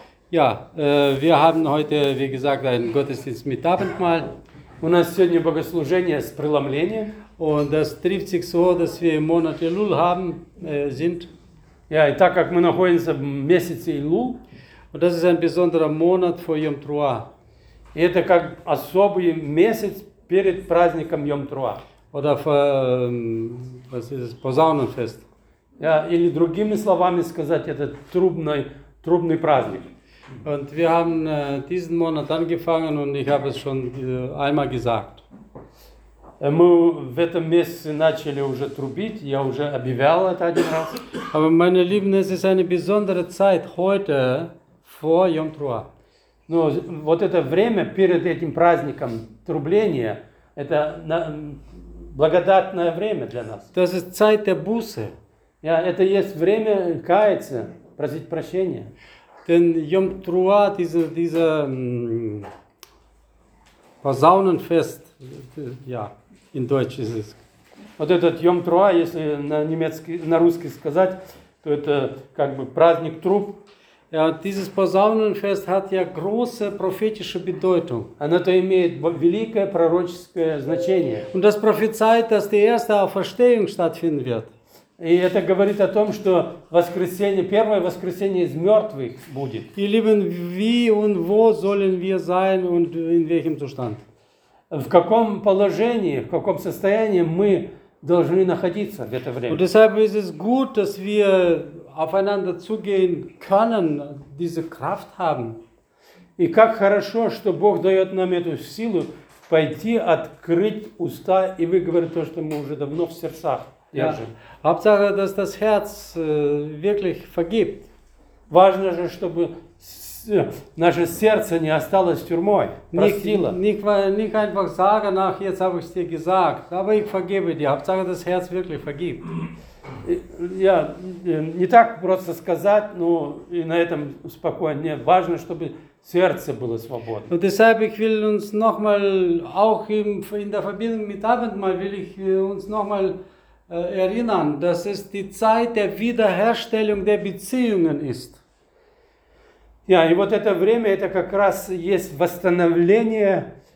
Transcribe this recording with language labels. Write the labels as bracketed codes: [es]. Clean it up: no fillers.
[de] Ja, wir haben heute, wie gesagt, einen Gottesdienst mit Abendmahl. [ru] У нас сегодня богослужение с преломлением. [de] Und das trifft sich so, dass wir im Monat Elul sind. [ru] Ja, и так как мы находимся в месяце Илу, [de] und das ist ein besonderer Monat für Йом Труа. [ru] И это как особый месяц перед праздником Йом Труа. [de] Oder für, was ist es, Posaunenfest. [ru] Ja, или другими словами сказать, это трубный праздник. [de] Und wir haben diesen Monat angefangen und ich habe es schon einmal gesagt. [ru] Мы в этом месяце начали уже трубить, я уже объявлял это один раз. [de] Aber meine Lieben, es ist eine besondere Zeit heute vor Йом Труа. [ru] Ну, вот это время перед этим праздником трубления, это благодатное время для нас. [de] Das ist Zeit der Buße. [ru] Ja, это есть время каяться, просить прощения. [de] Denn Йом Труа, diese Posaunenfest, ja, in Deutsch ist es. [ru] Вот этот Йом Труа, если на немецкий, на русский сказать, то это как бы праздник труб. [de] Ja, dieses Posaunenfest hat ja große prophetische Bedeutung. [ru] Оно то имеет великое пророческое значение. [de] Und das prophezeit, dass die erste Auferstehung stattfinden wird. [ru] И это говорит о том, что воскресение, первое воскресение из мертвых будет. [de] И lieben, wie und wo sollen wir sein und in welchem Zustand? [ru] В каком положении, в каком состоянии мы должны находиться в это время? [de] Und deshalb ist es gut, dass wir aufeinander zugehen können, diese Kraft haben. [ru] И как хорошо, что Бог дает нам эту силу пойти открыть уста и выговорить то, что мы уже давно в сердцах. [de] Ja. Hauptsache, dass das Herz wirklich vergibt. [ru] Важно же, чтобы наше сердце не осталось тюрьмой. Простило. [de] Nicht einfach sagen, ach, jetzt habe ich es dir gesagt, aber ich vergebe dir. Hauptsache, das Herz wirklich vergibt. [ru] Ja, не так просто сказать, но и на этом спокойнее. Важно, чтобы сердце было свободно. Und deshalb ich will uns nochmal, auch in der Verbindung mit Abendmahl, will ich uns nochmal erinnern, dass es die Zeit der Wiederherstellung der Beziehungen ist. Ja, und вот это время это как раз есть восстановление